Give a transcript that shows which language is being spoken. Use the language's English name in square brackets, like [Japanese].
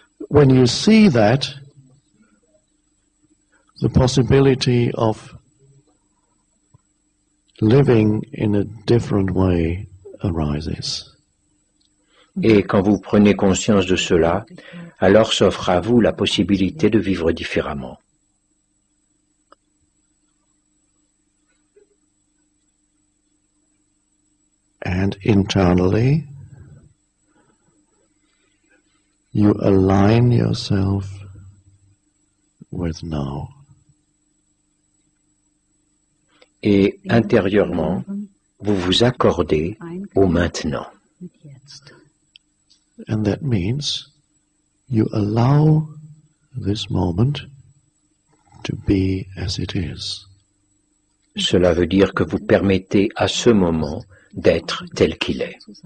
[English] When you see that, the possibility of living in a different way arises. [French] Et quand vous prenez conscience de cela, alors s'offre à vous la possibilité de vivre différemment. [English] internally, you align yourself with now. [French] Et intérieurement, vous vous accordez au maintenant. [English] And that means you allow this moment to be as it is. [French] Cela veut dire que vous permettez à ce moment d'être tel qu'il est.